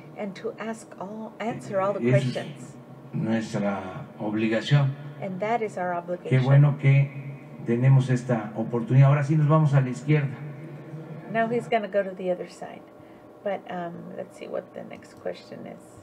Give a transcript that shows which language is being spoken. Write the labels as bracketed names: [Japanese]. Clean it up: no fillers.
[English] and to ask all answer all the questions [Spanish] nuestra obligación [English] and that is our obligation [Spanish] qué bueno que tenemos esta oportunidad ahora sí nos vamos a la izquierda [English] now he's going to go to the other side but let's see what the next question is